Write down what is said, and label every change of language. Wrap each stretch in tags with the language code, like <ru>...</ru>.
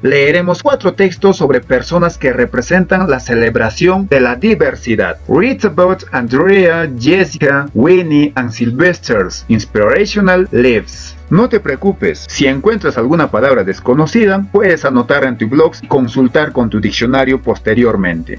<es>Leeremos 4 textos sobre personas que representan la celebración de la diversidad.</es> <en>Read about Andrea, Jessica, Winnie and Sylvester's inspirational lives.</en> <es>No te preocupes, si encuentras alguna palabra desconocida, puedes anotar en tu blog y consultar con tu diccionario posteriormente.</es>